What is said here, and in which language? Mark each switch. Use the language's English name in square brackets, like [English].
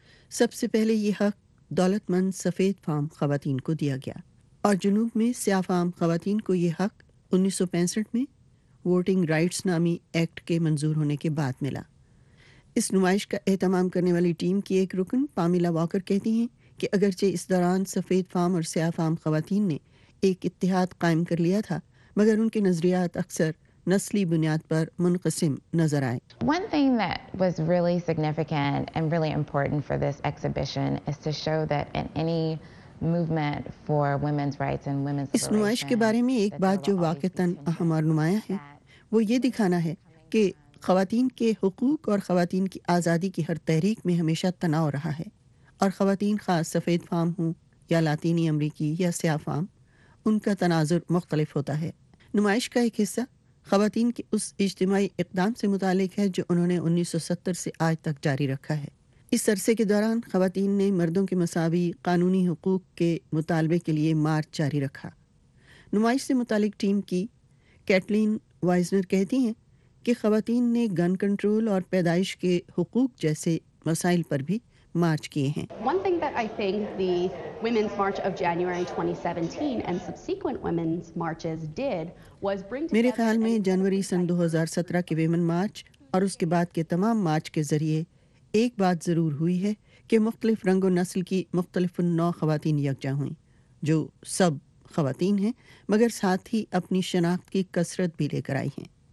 [Urdu] سب سے پہلے یہ حق دولت مند سفید فام خواتین کو دیا گیا اور جنوب میں سیاہ فام خواتین کو یہ حق 1965 میں ووٹنگ رائٹس نامی ایکٹ کے منظور ہونے کے بعد ملا. اس نمائش کا اہتمام کرنے والی ٹیم کی ایک رکن پامیلا واکر کہتی ہیں کہ اگرچہ اس دوران سفید فام اور سیاہ فام خواتین نے ایک اتحاد قائم کر لیا تھا مگر ان کے نظریات اکثر نسلی بنیاد پر منقسم نظر آئے. [English] One thing that was really significant and really important for this exhibition is to show that in any movement for women's rights and women's [Urdu] اس نمائش کے بارے میں ایک بات جو واقعتاً اہم اور نمایاں ہے وہ یہ دکھانا ہے کہ خواتین کے حقوق اور خواتین کی آزادی کی ہر تحریک میں ہمیشہ تناؤ رہا ہے اور خواتین خاص سفید فام ہوں یا لاطینی امریکی یا سیاہ فام ان کا تناظر مختلف ہوتا ہے. نمائش کا ایک حصہ خواتین کے اس اجتماعی اقدام سے متعلق ہے جو انہوں نے 1970 سے آج تک جاری رکھا ہے. اس عرصے کے دوران خواتین نے مردوں کے مساوی قانونی حقوق کے مطالبے کے لیے مارچ جاری رکھا. نمائش سے متعلق ٹیم کی کیٹلین وائزنر کہتی ہیں کہ خواتین نے گن کنٹرول اور پیدائش کے حقوق جیسے مسائل پر بھی مارچ کیے ہیں. [English] One thing that I think the women's march of January 2017 and subsequent women's marches did was bring together [Urdu] میرے خیال میں جنوری سن 2017 کے ویمن مارچ اور اس کے بعد کے تمام مارچ کے ذریعے ایک بات ضرور ہوئی ہے کہ مختلف رنگ و نسل کی مختلف نو خواتین یکجا ہوئیں جو سب خواتین ہیں مگر ساتھ ہی اپنی شناخت کی کثرت بھی لے کر آئی ہیں.